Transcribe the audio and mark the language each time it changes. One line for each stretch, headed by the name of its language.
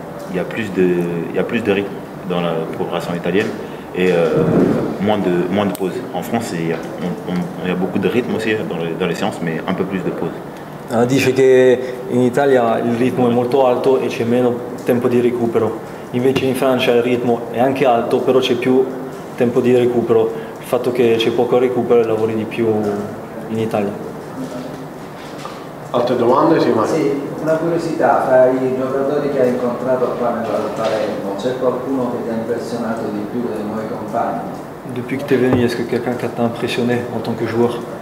French: Il y a plus de rythme dans la préparation italienne et moins de pauses. En France, il y a beaucoup de rythme aussi dans les séances, mais un peu plus de pauses.
Italian: Dice che in Italia il ritmo è molto alto e c'è meno tempo di recupero. Invece in Francia il ritmo è anche alto, però c'è più tempo di recupero. Il fatto che c'è poco recupero, lavori di più in Italia. Altre domande? Sì, ma... sì, una curiosità, fra i giocatori che hai incontrato qua nella Palermo, c'è qualcuno che ti ha impressionato di più dei nuovi compagni?
French: Depuis que t'es venu, est-ce que quelqu'un qui t'a impressionné en tant que joueur?